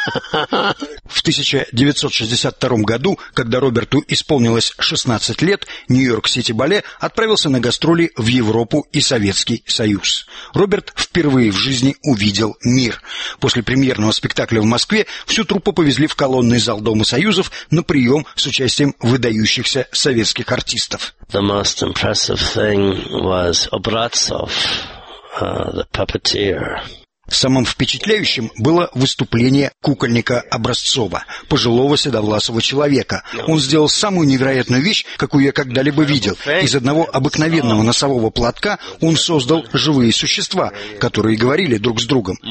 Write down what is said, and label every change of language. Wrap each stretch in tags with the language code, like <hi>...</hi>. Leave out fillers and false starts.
<ru>В 1962 году, когда Роберту исполнилось 16 лет, Нью-Йорк-Сити Балет отправился на гастроли в Европу и Советский Союз. Роберт впервые в жизни увидел мир. После премьерного спектакля в Москве всю труппу повезли в колонный зал Дома Союзов на прием с участием выдающихся советских артистов.</ru> <en>The most impressive thing was Obrazov, the puppeteer.</en> <ru>Самым впечатляющим было выступление кукольника Образцова, пожилого седовласого человека. Он сделал самую невероятную вещь, какую я когда-либо видел. Из одного обыкновенного носового платка он создал живые существа, которые говорили друг с другом.</ru>